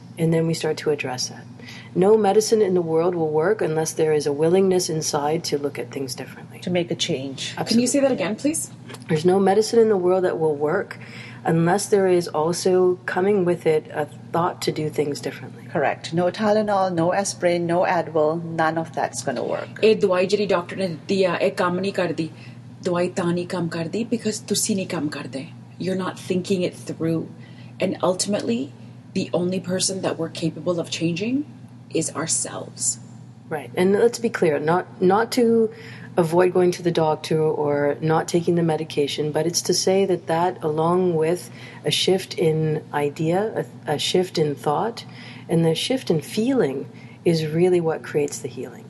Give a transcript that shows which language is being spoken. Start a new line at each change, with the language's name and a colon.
English: And then we start to address that. No medicine in the world will work unless there is a willingness inside to look at things differently. To make a change. Absolutely. Can you say that again, please? There's no medicine in the world that will work unless there is also coming with it a thought to do things differently. Correct. No Tylenol, no aspirin, no Advil. None of that's going to work.
Punjabi: ਇਹ ਦਵਾਈ ਜਿਹੜੀ doctor ਨੇ ਦਿੱਤੀ ਆ ਇਹ ਕੰਮ ਨਹੀਂ ਕਰਦੀ. ਦਵਾਈ ਤਾਂ ਨਹੀਂ ਕੰਮ ਕਰਦੀ because ਤੁਸੀਂ ਨਹੀਂ ਕੰਮ ਕਰਦੇ.
English: You're not thinking it through. And ultimately, the only person that we're capable of changing is ourselves. Right. And let's be clear, not to avoid going to the doctor or not taking the medication, but it's to say that that, along with a shift in idea, a shift in thought, and the shift in feeling, is really what creates the healing.